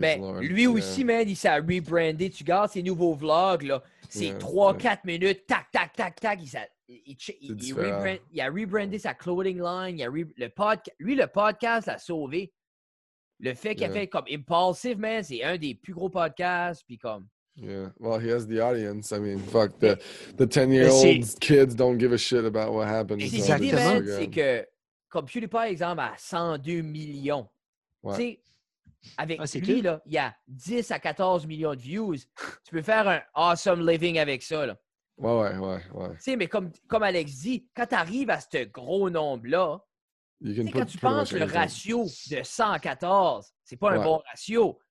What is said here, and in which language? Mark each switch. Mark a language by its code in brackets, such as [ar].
[fr] Mais lui aussi, man, il s'est rebrandé. Tu regardes ses nouveaux vlogs, là. C'est 3-4 minutes, tac, tac, tac, tac. Il a rebrandé sa clothing line. Le podcast l'a sauvé. Le fait qu'il a fait comme Impulsive, man, c'est un des plus gros podcasts, puis comme. [en] Yeah, well, he has the audience. I mean, fuck, the 10-year-old kids don't give a shit about what happens. [fr] Exactement, c'est que, comme PewDiePie, exemple, à 102 millions, tu sais, avec lui, là, il y a 10 à 14 millions de views. Tu peux faire un awesome living avec ça, là. Ouais. Tu sais, mais comme Alex dit, quand tu arrives à ce gros nombre-là, quand tu penses le ratio de 114, c'est pas un bon ratio.